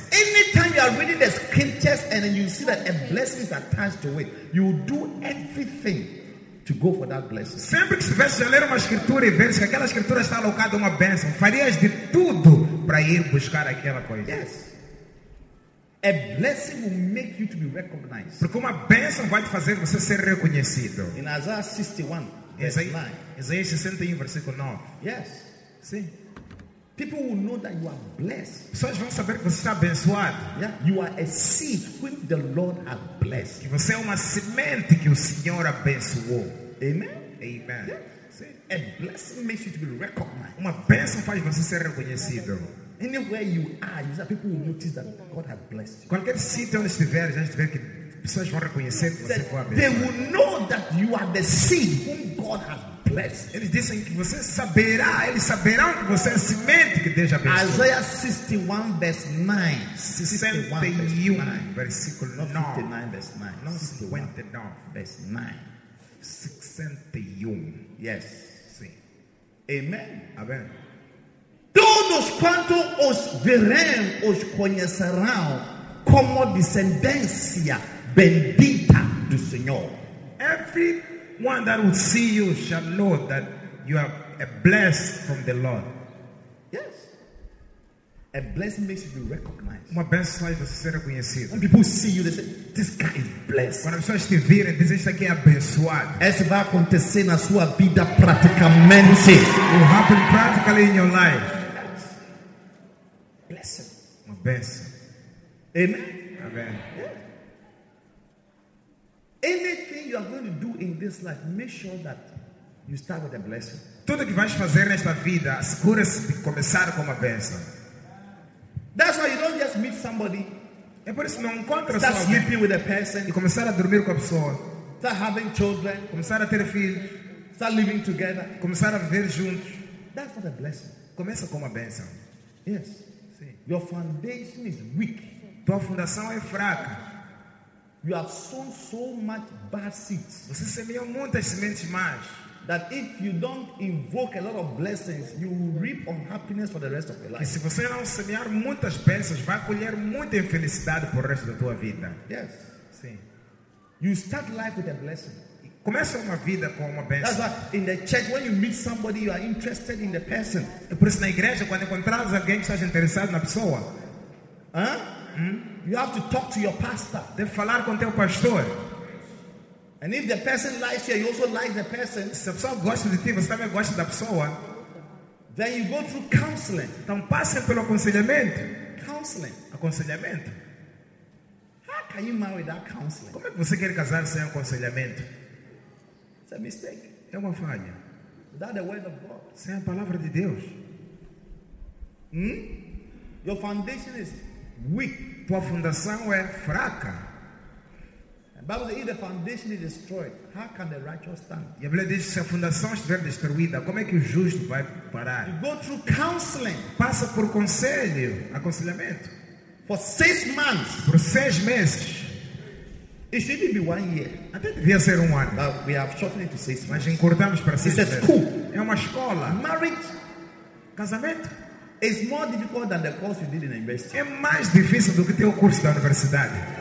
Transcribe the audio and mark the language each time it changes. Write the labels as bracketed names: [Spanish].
[English] anytime you are reading the scriptures and then you see that a blessing is attached to it, you will do everything to go for that blessing. [Portuguese] Sempre que estivesse a ler uma escritura e ver que aquela escritura está alocada uma bênção, farias de tudo para ir buscar aquela coisa. [English] Yes. A blessing will make you to be recognized. [Portuguese] Porque uma bênção vai te fazer você ser reconhecido. [English] In Isaiah 61, verse 9. [Portuguese] Isaías 61, versículo 9. [English] Yes. [Portuguese] Sim. [English] People will know that you are blessed. [Portuguese] Pessoas vão saber que você está abençoado. [English] Yeah. You are a seed which the Lord has blessed. [Portuguese] Que você é uma semente que o Senhor abençoou. [English] Amen. Amen. Yeah. See, a blessing makes you to be recognized. [Portuguese] Uma bênção faz você ser reconhecido. [English] Anywhere you are, people will notice that God has blessed you. [Portuguese] Qualquer sítio onde estiver, já estiver que pessoas vão reconhecer que você foi abençoado. [English] They will know that you are the seed whom God has blessed. [Portuguese] Eles dizem que você saberá, eles saberão que você é a semente que Deus abençoou. [English] Isaiah 61, verse 9. [Portuguese] 61, versículo 9. [English] Not 59, verse 9. [Portuguese] Não 59, [English] verse 9. 61. Yes. [Portuguese] Sim. [English] Amen. Amen. [Portuguese] Todos quanto os verão, os conhecerão como descendência bendita do Senhor. [English] Every one that will see you shall know that you are a blessed from the Lord. Yes. A blessing makes you be recognized. [Portuguese] Uma bênção faz você ser reconhecido. [English] When people see you, they say, this guy is blessed. [Portuguese] Quando as pessoas te virem, dizem, isso aqui é abençoado. Isso vai acontecer na sua vida praticamente. [English] Will happen practically in your life. Yes. Blessing. [Portuguese] Uma bênção. [English] Amen. Amen. Anything you are going to do in this life, make sure that you start with a blessing. [Portuguese] Tudo que vais fazer nesta vida, segura-se de começar com uma bênção. [English] That's why you don't just meet somebody. [Portuguese] É por isso que não encontra [English] start sleeping with a person. [Portuguese] E começar a dormir com a pessoa. [English] Start having children. [Portuguese] Começar a ter filhos. [English] Start living together. [Portuguese] Começar a viver juntos. [English] That's not a blessing. [Portuguese] Começa com uma bênção. [English] Yes. [Portuguese] Sim. [English] Your foundation is weak. [Portuguese] Tua fundação é fraca. [English] You have sown so much bad seeds. [Portuguese] Você semeou muitas sementes más. [English] That if you don't invoke a lot of blessings, you will reap unhappiness for the rest of your life. [Portuguese] E se você não semear muitas bênçãos, vai colher muita infelicidade por o resto da tua vida. [English] Yes. [Portuguese] Sim. [English] You start life with a blessing. [Portuguese] Começa uma vida com uma bênção. [English] That's why in the church, when you meet somebody, you are interested in the person. [Portuguese] É por isso na igreja, quando encontrares alguém que esteja interessado na pessoa. [English] You have to talk to your pastor. [Portuguese] De falar com teu pastor. [English] And if the person likes you, you also like the person. [Portuguese] Se a pessoa gosta de ti, você também gosta da pessoa. [English] Then you go through counseling. [Portuguese] Então passa pelo aconselhamento. [English] Counseling. [Portuguese] Aconselhamento. [English] How can you marry that counseling? [Portuguese] Como é que você quer casar sem aconselhamento? [English] It's a mistake. [Portuguese] É uma falha. [English] Without the word of God. [Portuguese] Sem a palavra de Deus. [English] Your foundation is weak. [Portuguese] Tua fundação é fraca. [English] The Bible says, if the foundation is destroyed, how can the righteous stand? [Portuguese] E a Bíblia diz, se a fundação estiver destruída, como é que o justo vai parar? [English] You go through counseling. [Portuguese] Passa por conselho, aconselhamento. [English] For 6 months. [Portuguese] Por 6 meses. [English] It should be 1 year. [Portuguese] Até devia ser 1 ano. [English] But we have shortened it to 6 months. [Portuguese] Mas encurtamos para 6 meses. [English] It's a school. [Portuguese] É uma escola. [English] Marriage [Portuguese] Casamento. [English] It's more difficult than the course you did in university. [Portuguese] É mais difícil do que ter o curso da universidade.